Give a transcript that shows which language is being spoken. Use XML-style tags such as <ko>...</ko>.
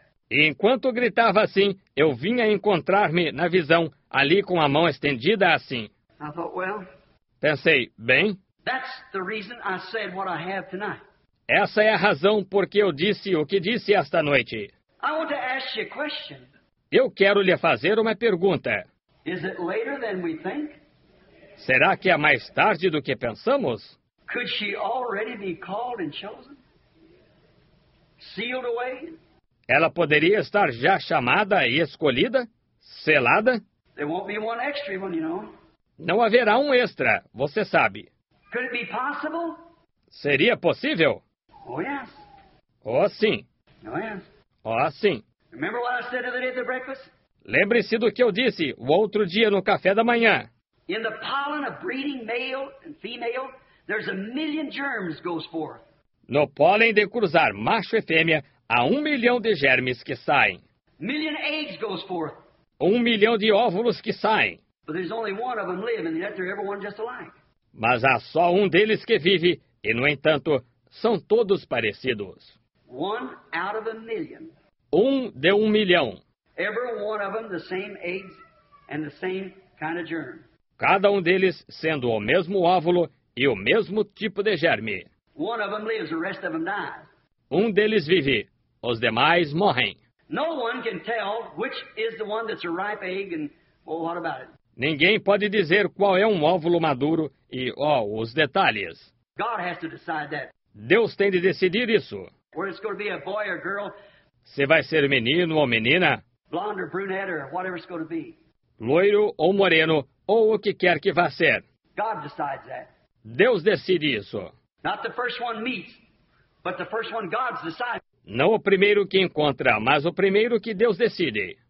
<pt>E enquanto gritava assim, eu vinha encontrar-me na visão, ali com a mão estendida assim. Pensei, bem...</pt> <en>That's the reason I said what I have tonight.</en> <pt>Essa é a razão porque eu disse o que disse esta noite.</pt> <en>I want to ask you a question.</en> <pt>Eu quero lhe fazer uma pergunta.</pt> <en>Is it later than we think?</en> <pt>Será que é mais tarde do que pensamos?</pt> <en>Could she already be called and chosen? Sealed away?</en> <pt>Ela poderia estar já chamada e escolhida? Selada?</pt> <en>There won't be one extra one, you know.</en> <pt>Não haverá um extra, você sabe.</pt> <en>Could it be possible?</en> <pt>Seria possível?</pt> <en>Oh, yes.</en> <pt>Oh, sim.</pt> <en>Oh, yes.</en> <pt>Oh, sim.</pt> <en>Remember what I said the other day at the breakfast?</en> <pt>Lembre-se do que eu disse o outro dia no café da manhã.</pt> <en>In the pollen of breeding male and female, there's a million germs goes forth.</en> <pt>No pólen de cruzar macho e fêmea, há 1 milhão de germes que saem.</pt> <en>Million eggs goes forth.</en> <pt>1 milhão de óvulos que saem.</pt> <en>But there's only one of them living, and yet they're everyone just alike.</en> <pt>Mas há só um deles que vive, e no entanto, são todos parecidos.</pt> <en>One out of a million.</en> <pt>Um de 1 milhão.</pt> <en>Every one of them the same eggs and the same kind of germ.</en> <pt>Cada um deles sendo o mesmo óvulo e o mesmo tipo de germe.</pt> <en>One of them lives, the rest of them dies.</en> <pt>Um deles vive, os demais morrem.</pt> <en>No one can tell which is the one that's a ripe egg and well, what about it?</en> <pt>Ninguém pode dizer qual é um óvulo maduro e, ó, oh, os detalhes.</pt> <en>God has to decide that.</en> <pt>Deus tem de decidir isso.</pt> <en>Or it's going to be a boy or girl.</en> <pt>Se vai ser menino ou menina.</pt> <en>Blonde or brunette or whatever it's going to be.</en> <pt>Loiro ou moreno, ou o que quer que vá ser.</pt> <en>God decides that.</en> <pt>Deus decide isso.</pt> <en>Not the first one meets, but the first one God decides.</en> <pt>Não o primeiro que encontra, mas o primeiro que Deus decide.</pt>